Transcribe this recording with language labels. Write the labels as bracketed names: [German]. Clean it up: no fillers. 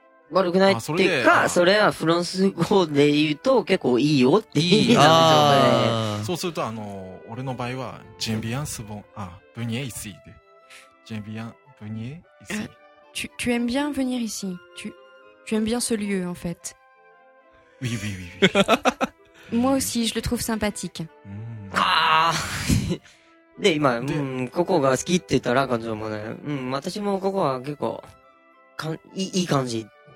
[Japanese] 悪くないっていうか、それはフランス語で言うと結構いいよって意味なんですよね。そうすると、俺の場合は、ジェンビアンスボン、あ、ブニエイスイで。ジェンビアン、ブニエイスイ。 [French] tu aimes bien venir ici? Tu aimes bien ce lieu, en fait? Oui, oui, oui, oui. Moi aussi, je le trouve sympathique. [Japanese] ああで、今、ここが好きって言ったら、感情もね、私もここは結構、いい感じ。